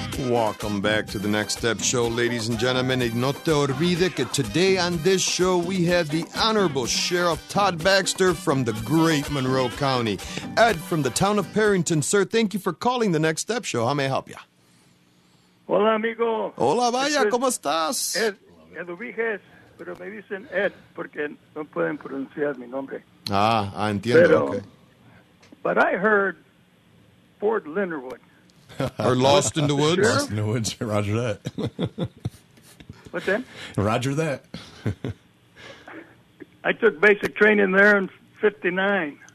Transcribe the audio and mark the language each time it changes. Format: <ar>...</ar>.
<en>Welcome back to the Next Step Show, ladies and gentlemen.</en> <es>No te olvides que</es> <en>today on this show we have the Honorable Sheriff Todd Baxter from the great Monroe County. Ed from the town of Perrington, sir, thank you for calling the Next Step Show. How may I help you?</en> <es>Hola, amigo. Hola, vaya, ¿cómo estás? Ed, Eduviges, pero me dicen Ed porque no pueden pronunciar mi nombre. Ah, I entiendo, pero,</es> <en>okay. But I heard Fort Linderwood. Or Lost in the Woods. Sure. Lost in the Woods. Roger that. What's that? Roger that. I took basic training there in 59.</en>